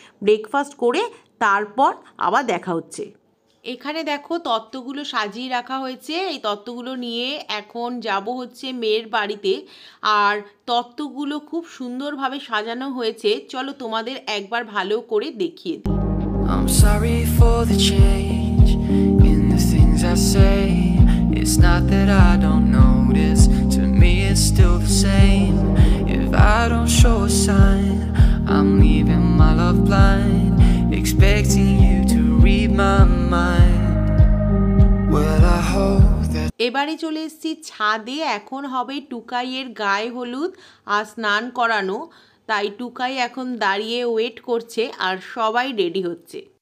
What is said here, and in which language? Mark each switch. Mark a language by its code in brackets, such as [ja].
[bn] Breakfast করে তারপর আবার দেখা হচ্ছে। এখানে দেখো তত্ত্বগুলো সাজিয়ে রাখা হয়েছে, এই তত্ত্বগুলো নিয়ে এখন যাব হচ্ছে মেয়ের বাড়িতে। আর তত্ত্বগুলো খুব সুন্দরভাবে সাজানো হয়েছে, চলো তোমাদের একবার ভালো করে দেখিয়ে দিই। [en] I'm sorry for the change in the things I say. It's not that I don't notice, to me it's still the same. If I don't show a sign, I'm leaving my love blind, expecting you to read my mind. Well, I hope that... [bn] এবারে চলে এসেছি ছাদে, এখন হবে টুকাইয়ের গায়ে হলুদ আর স্নান করানো, তাই টুকাই এখন দাঁড়িয়ে ওয়েট করছে আর সবাই রেডি হচ্ছে।